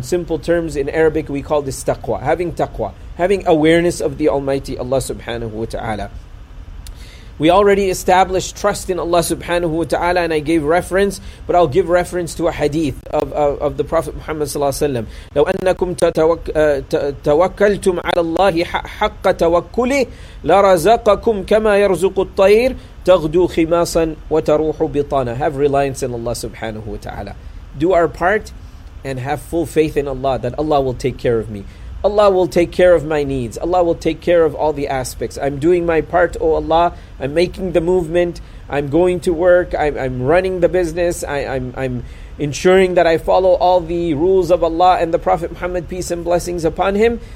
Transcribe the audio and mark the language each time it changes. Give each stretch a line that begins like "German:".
English: In simple terms, in Arabic, we call this taqwa, having awareness of the Almighty Allah subhanahu wa ta'ala. We already established trust in Allah subhanahu wa ta'ala, and I gave reference, but I'll give reference to a hadith of the Prophet Muhammad sallallahu alaihi wasallam.
Arabic: لو أنكم توكلتم على الله حق توكله لرزقكم كما يرزق الطير تغدو خماصا وتروح بطانا.
English: Have reliance in Allah subhanahu wa ta'ala. Do our part and have full faith in Allah that Allah will take care of me. Allah will take care of my needs. Allah will take care of all the aspects. I'm doing my part, O Allah. I'm making the movement. I'm going to work. I'm running the business. I'm ensuring that I follow all the rules of Allah and the Prophet Muhammad, peace and blessings upon him.